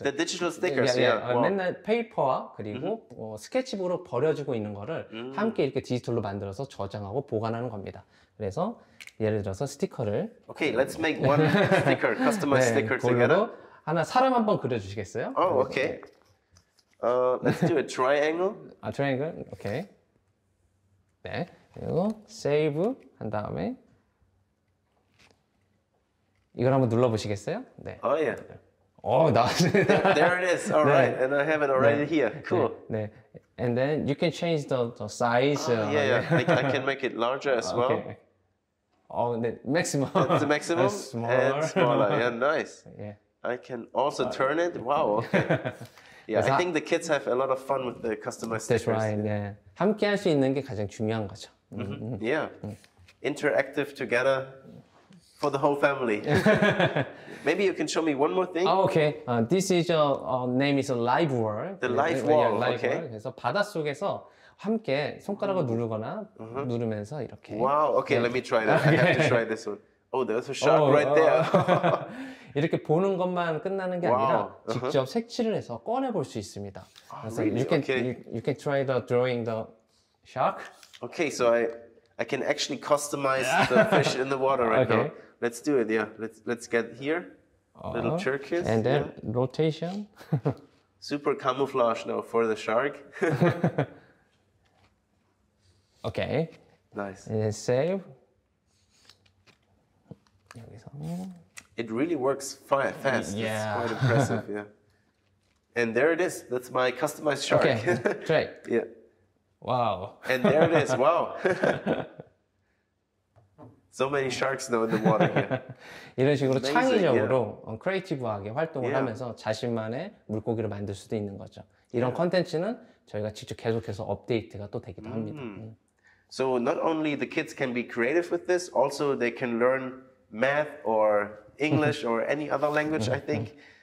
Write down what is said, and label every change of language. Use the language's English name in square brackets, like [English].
[English] The digital stickers, yeah. Yeah. Wow. [Korean] 맨날 페이퍼와 그리고 스케치북으로 버려지고 있는 거를 함께 이렇게 디지털로 만들어서 저장하고 보관하는 겁니다. 그래서 예를 들어서 스티커를. [English] Okay, let's make one sticker, customized [Korean] 네, [English] sticker together. [Korean] 하나 사람 한번 그려주시겠어요? [English] Oh, [Korean] 그래서, [English] okay. 네. Let's do a triangle. A triangle, okay. [Korean] 네, 그리고 save 한 다음에 이걸 한번 눌러보시겠어요? 네. [English] Oh, yeah. [Korean] Oh, 나왔습니다. [English] There it is, all right. 네. And I have it already here, cool. 네, 네. And then you can change the size. I can make it larger as well. Okay. Oh, 네, maximum. That's the maximum? And smaller. And smaller, yeah, nice. Yeah. I can also turn it, wow, okay. Yeah, I think the kids have a lot of fun with the customized stickers. right, yeah. [Korean] 함께 할 수 있는 게 가장 중요한 거죠. [English] Yeah. Interactive together for the whole family. Maybe you can show me one more thing. Oh, okay. This is name is a live wall. The live wall, yeah, live okay. Wall. [Korean] 그래서 바다 속에서 함께 손가락을 누르거나 누르면서 이렇게. [English] Wow, okay, 네. Let me try that. I have to try this one. Oh, there's a shark right there. [Korean] 이렇게 보는 것만 끝나는 게 아니라 직접 색칠을 해서 꺼내 볼 수 있습니다. [English] Really? You can you can try the drawing the shark. Okay, so I can actually customize the fish in the water right okay. now. Let's do it. Yeah, let's get here. Little turkeys. And then rotation. super camouflage now for the shark. Okay. Nice. And then save. [Korean] 여기서. [English] It really works fast. Yeah. It's quite impressive. Yeah. And there it is. That's my customized shark. Okay. Try. Yeah. Wow. And there it is. Wow. So many sharks know in the water. Yeah. [Korean] 이런 식으로 [English] Amazing. [Korean] 창의적으로 yeah. 크리에이티브하게 활동을 yeah. 하면서 자신만의 물고기를 만들 수도 있는 거죠. 이런 컨텐츠는 yeah. 저희가 직접 계속해서 업데이트가 또 되기도 mm-hmm. 합니다. [English] So not only the kids can be creative with this, also they can learn math or English or any other language, I think.